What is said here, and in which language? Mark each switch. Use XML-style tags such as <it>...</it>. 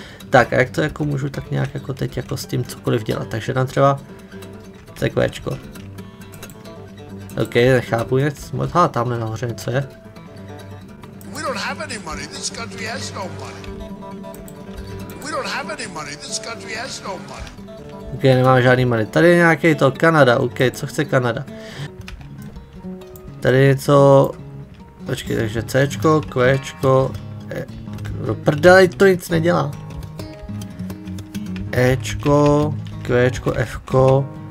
<cs>Tak a jak to jako můžu tak nějak jako teď jako s tím cokoliv dělat, takže tam třeba CQčko. Ok, nechápu nic, moc, ha, tamhle nahoře něco je.</cs> <en>We don't have any money, this country has no money. We don't have any money, this country has no money.</en> <cs>Okay, nemám žádný money. Tady je nějaký to, Kanada, ok, co chce Kanada? Tady je co... Počkej, takže Cčko, Qčko, E... No prdele, to nic nedělá. Ečko, Qčko, Fko...</cs>